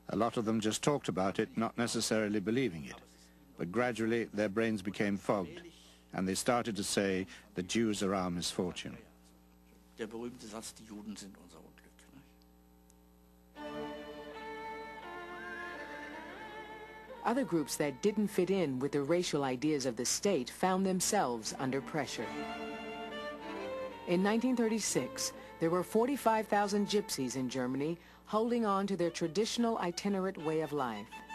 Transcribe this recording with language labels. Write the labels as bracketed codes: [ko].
[en] A lot of them just talked about it, not necessarily believing it. But gradually their brains became fogged and they started to say the Jews are our misfortune. [de] Der berühmte Satz, die Juden sind unser Unglück. [en] Other groups that didn't fit in with the racial ideas of the state found themselves under pressure. In 1936, there were 45,000 gypsies in Germany holding on to their traditional itinerant way of life.